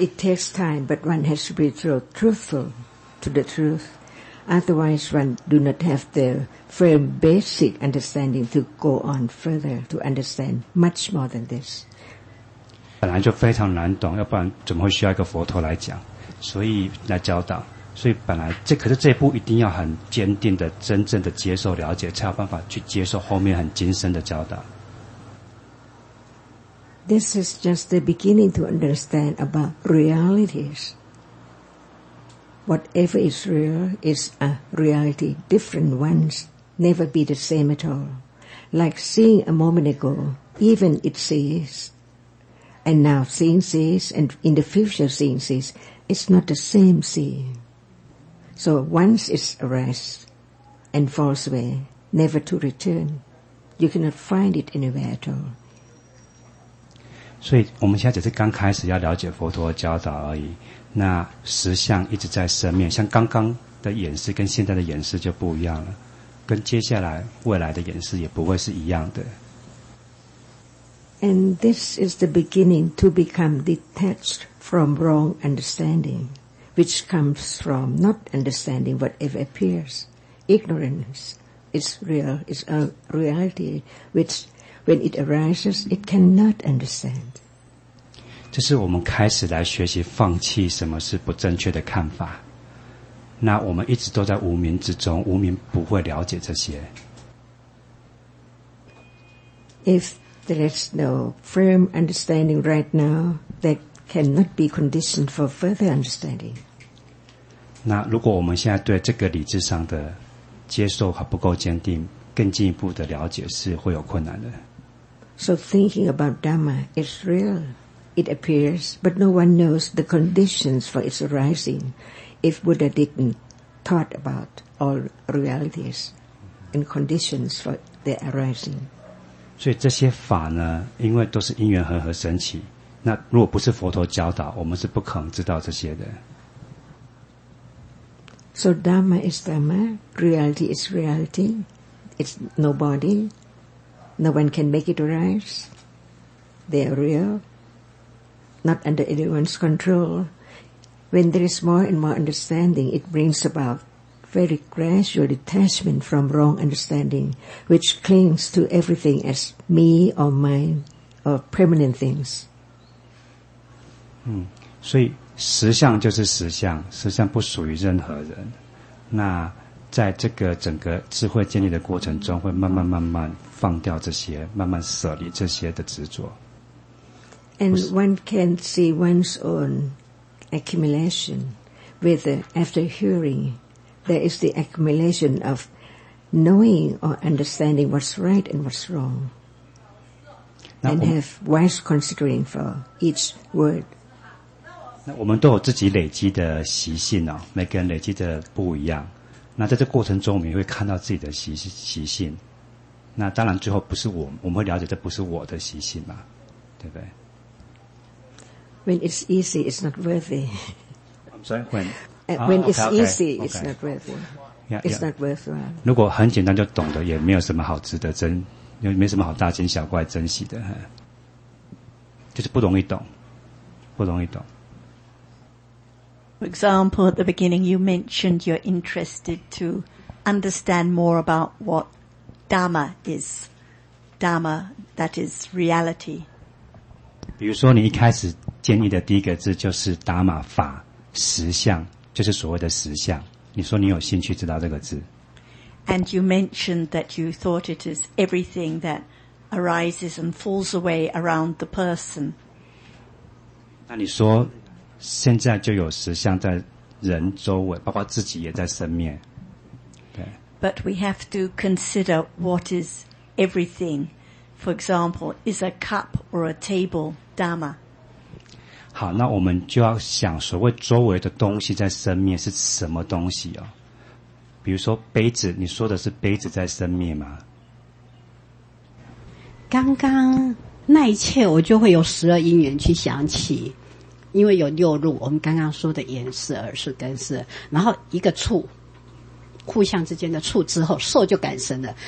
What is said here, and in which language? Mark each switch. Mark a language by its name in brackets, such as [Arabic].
[English] It takes time, but one has to be truthful to the truth. Otherwise, one do not have the firm basic understanding to go on further to understand much more than this. [Chinese] 本来就非常难懂，要不然怎么会需要一个佛陀来讲，所以来教导。所以本来这可是这一步一定要很坚定的、真正的接受了解，才有办法去接受后面很精深的教导。 [English] This is just the beginning to understand about realities. Whatever is real is a reality. Different ones never be the same at all. Like seeing a moment ago, even it sees, and now seeing sees, and in the future seeing sees, it's not the same seeing. So once it arrives and falls away, never to return. You cannot find it anywhere at all. [Chinese] 所以我们现在只是刚开始要了解佛陀教导而已。那实相一直在生灭，像刚刚的演示跟现在的演示就不一样了，跟接下来未来的演示也不会是一样的。 [English] And this is the beginning to become detached from wrong understanding, which comes from not understanding whatever appears. Ignorance is real, is a reality, which when it arises, it cannot understand. [Chinese] 这是我们开始来学习放弃什么是不正确的看法。那我们一直都在无明之中，无明不会了解这些。 [English] If there is no firm understanding right now, that cannot be conditioned for further understanding. [Chinese] 那如果我们现在对这个理智上的接受还不够坚定，更进一步的了解是会有困难的。 [English] So thinking about Dhamma is real. It appears, but no one knows the conditions for its arising. If Buddha didn't thought about all realities and conditions for their arising. [Chinese] 所以这些法呢，因为都是因缘和合升起。那如果不是佛陀教导，我们是不可能知道这些的。 [English] So Dhamma is Dhamma, reality is reality. It's nobody. No one can make it arise. They are real. Not under anyone's control. When there is more and more understanding, it brings about very gradual detachment from wrong understanding, which clings to everything as me or mine or permanent things. [Chinese] 所以实相就是实相，实相不属于任何人。那在这个整个智慧建立的过程中，会慢慢慢慢放掉这些，慢慢舍离这些的执着。 [English] And one can see one's own accumulation, whether after hearing, there is the accumulation of knowing or understanding what's right and what's wrong, and have wise considering for each word. [Chinese] 那我们都有自己累积的习性哦，每个人累积的不一样。那在这过程中，我们也会看到自己的习性。那当然，最后不是我们会了解这不是我的习性嘛，对不对？ [English] When it's easy, it's not worthy. I'm sorry, when? When it's okay, easy, okay. It's not worthy. Yeah, it's not worthwhile. [Chinese] 如果很简单就懂得，也没有什么好值得珍，也没什么好大惊小怪珍惜的，就是不容易懂，不容易懂。 [English] For example, at the beginning, you mentioned you're interested to understand more about what Dhamma is. Dhamma, that is reality. [Chinese] 比如说你一开始建议的第一个字就是达玛法实相，就是所谓的实相。你说你有兴趣知道这个字 [English] And you mentioned that you thought it is everything that arises and falls away around the person. [Chinese] 那你说现在就有实相在人周围，包括自己也在生灭。 [English] But we have to consider what is everything. For example, is a cup or a table Dhamma? [Chinese] 好，那我们就要想所谓周围的东西在生灭是什么东西哦？比如说杯子，你说的是杯子在生灭吗？刚刚那一切我就会有十二因缘去想起，因为有六入，我们刚刚说的眼识、耳识、根识，然后一个触，互相之间的触之后，受就感生了。